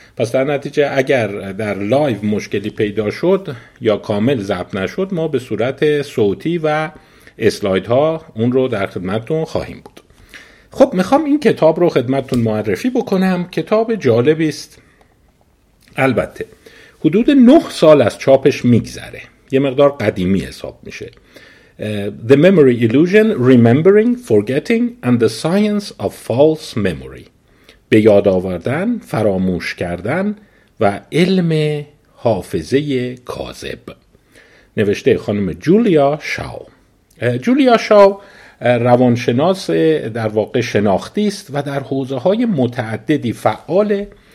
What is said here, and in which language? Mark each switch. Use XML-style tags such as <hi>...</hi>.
<fa>پس در نتیجه اگر در لایو مشکلی پیدا شد یا کامل ضبط نشد، ما به صورت صوتی و اسلاید ها اون رو در خدمتتون خواهیم بود. خب میخوام این کتاب رو خدمتتون معرفی بکنم. کتاب جالبی است. البته حدود 9 سال از چاپش میگذره، یه مقدار قدیمی حساب میشه.</fa> <en>The Memory Illusion: Remembering, Forgetting and the Science of False Memory.</en> <fa>به یاد آوردن، فراموش کردن و علم حافظه کاذب. نوشته خانم جولیا شاو. جولیا شاو روانشناس در واقع شناختی است و در حوزه‌های متعددی فعاله.</fa>